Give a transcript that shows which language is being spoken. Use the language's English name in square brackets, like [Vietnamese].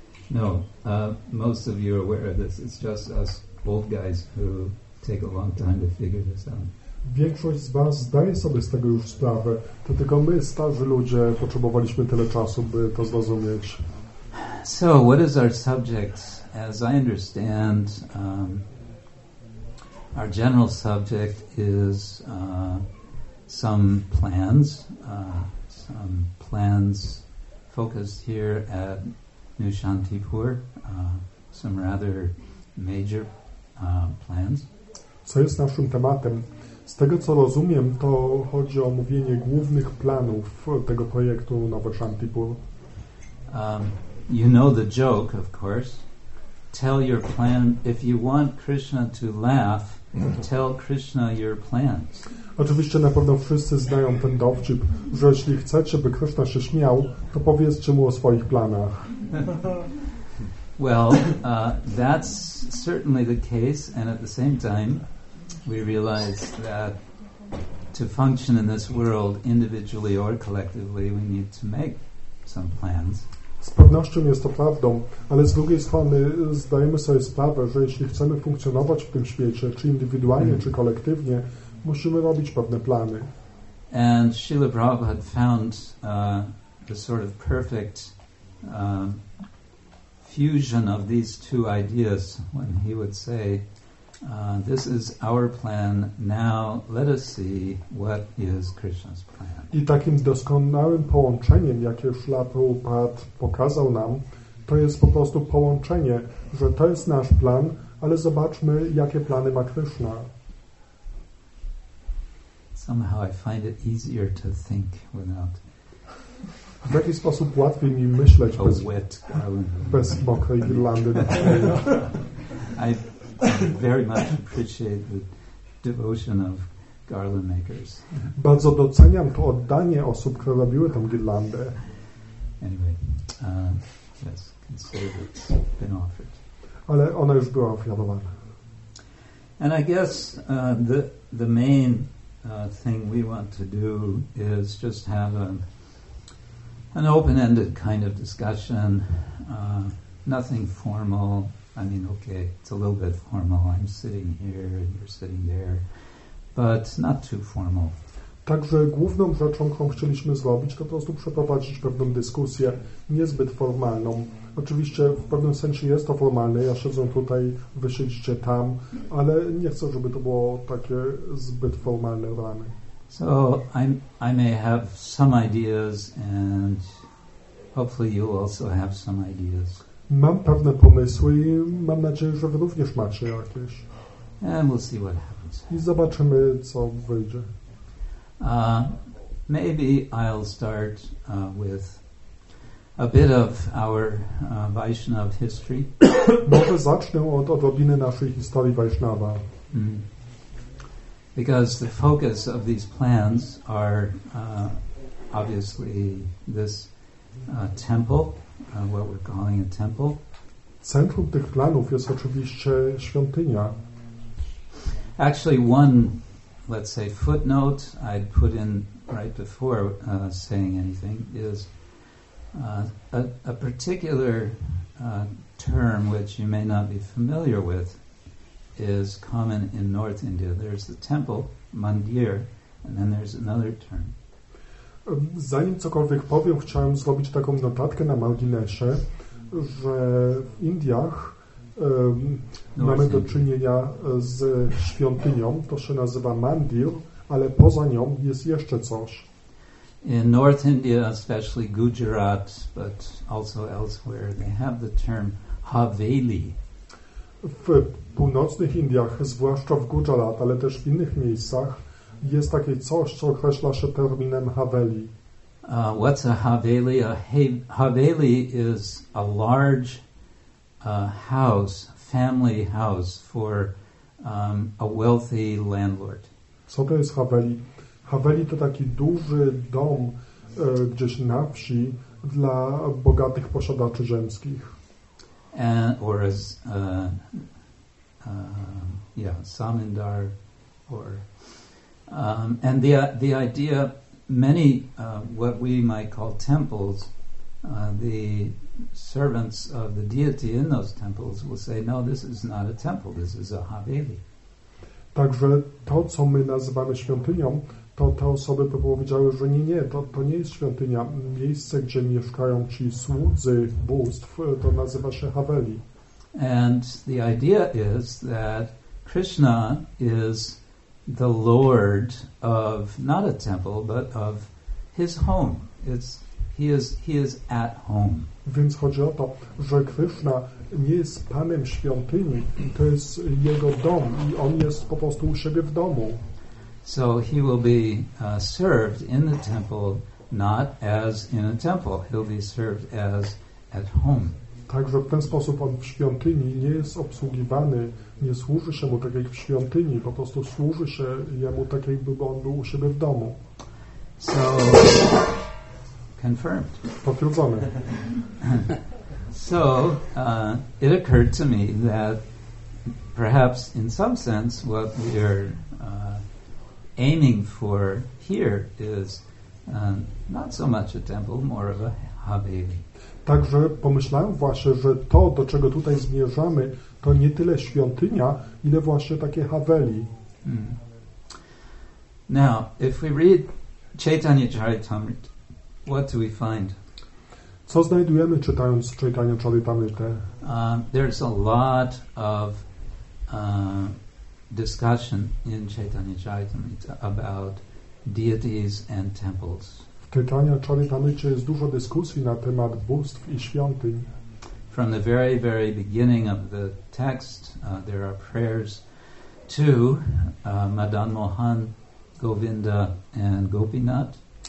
[English] No, most of you are aware of this. It's just us old guys who take a long time to figure this out. [Polish] Większość z was zdaje sobie z tego już sprawę. To tylko my, starzy ludzie, potrzebowaliśmy tyle czasu, by to zrozumieć. [English] So, what is our subject? As I understand, our general subject is some plans focused here at New Shantipur, some rather major plans. [Polish] Co jest naszym tematem? Z tego, co rozumiem, to chodzi o omówienie głównych planów tego projektu Nowy Shantipur. [English] You know the joke, of course. Tell your plan. If you want Krishna to laugh, tell Krishna your plans. [Polish] Oczywiście na pewno wszyscy znają ten dowcip, że jeśli chcecie, by Krishna się śmiał, to powiedzcie mu o swoich planach. [English] Well, that's certainly the case, and at the same time, we realize that to function in this world individually or collectively, we need to make some plans. [Polish] Z pewnością jest to prawdą, ale z drugiej strony zdajemy sobie sprawę, że jeśli chcemy funkcjonować w tym świecie, czy indywidualnie, czy kolektywnie, musimy robić pewne plany. [English] And Srila Prabhupada found the sort of perfect fusion of these two ideas when he would say, this is our plan, now let us see what is Krishna's plan. [Polish] I takim doskonałym połączeniem, jakie Srila Prabhupada pokazał nam, to jest po prostu połączenie, że to jest nasz plan, ale zobaczmy, jakie plany ma Krishna. [English] Somehow I find it easier to think without. [Polish] W jaki sposób łatwiej mi myśleć bez, [English] wet [Polish] bez mokrej Irlandy na szyi. [English] I very much appreciate the devotion of garland makers. [Polish] Bardzo doceniam to oddanie osób, które robiły tą girlandę. [English] Anyway, yes, consider that it's been offered. [Polish] Ale ona już była ofiarowana. [English] And I guess the main thing we want to do is just have an open-ended kind of discussion, nothing formal. I mean, okay, it's a little bit formal. I'm sitting here and you're sitting there. But not too formal. [Polish] Także główną rzeczą, którą chcieliśmy zrobić, to po prostu przeprowadzić pewną dyskusję, niezbyt formalną. Oczywiście w pewnym sensie jest to formalne. Ja siedzę tutaj, wy siedzicie tam, ale nie chcę, żeby to było takie zbyt formalne ramy. [English] So I may have some ideas and hopefully you also have some ideas. [Polish] Mam pewne pomysły i mam nadzieję, że wy również macie jakieś. [English] And we'll see what happens. [Polish] I zobaczymy, co wyjdzie. [English] Maybe I'll start with a bit of our Vaishnav history. [Polish] Może zacznę od odrobiny naszej historii Vaishnava. [English] Because the focus of these plans are obviously this temple. What we're calling a temple. [Polish] Centrum tych planów jest oczywiście świątynia. [English] Actually, one let's say, footnote I'd put in right before saying anything is a particular term which you may not be familiar with is common in North India. There's the temple, mandir, and then there's another term. [Polish] Zanim cokolwiek powiem, chciałem zrobić taką notatkę na marginesie, że w Indiach mamy do czynienia z świątynią, to się nazywa mandir, ale poza nią jest jeszcze coś. [English] In North India, especially Gujarat, but also elsewhere, they have the term haveli. [Polish] W północnych Indiach, zwłaszcza w Gujarat, ale też w innych miejscach, jest takie coś, co określa się terminem haveli. [English] What's a haveli? A haveli is a large house, family house for a wealthy landlord. [Polish] Co to jest haveli? Haveli to taki duży dom gdzieś na wsi dla bogatych posiadaczy ziemskich. [English] And, or as zamindar, or and the idea many what we might call temples, the servants of the deity in those temples will say, no, this is not a temple, this is a haveli. [Polish] Także to, co my nazywamy świątynią, to te osoby by powiedziały, że nie, to nie jest świątynia. Miejsce, gdzie mieszkają ci słudzy bóstw, to nazywa się haveli. [English] And the idea is that Krishna is the lord of not a temple, but of his home. He is at home. [Polish] Więc chodzi o to, że Krishna nie jest panem świątyni, to jest jego dom i on jest po prostu u siebie w domu. [English] So he will be served in the temple, not as in a temple. He'll be served as at home. [Polish] Także w ten sposób on w świątyni nie jest obsługiwany, nie służy się mu tak jak w świątyni, po prostu służy się jemu tak jakby on był u siebie w domu. [English] So, confirmed. [Polish] Potwierdzone. [English] So, it occurred to me that perhaps in some sense what we are aiming for here is not so much a temple, more of a haveli. [Polish] Także pomyślałem właśnie, że to, do czego tutaj zmierzamy, to nie tyle świątynia, ile właśnie takie haveli. Hmm. [English] Now, if we read Chaitanya Charitamrita, what do we find? [Polish] Co znajdujemy czytając Chaitanya Charitamrita? [English] There's a lot of discussion in Chaitanya Charitamrita about deities and temples. [Polish] Czytania Charitamrity jest dużo dyskusji na temat bóstw i świątyń. [English] From the very, very beginning of the text, there are prayers to Madan Mohan, Govinda and Gopinath.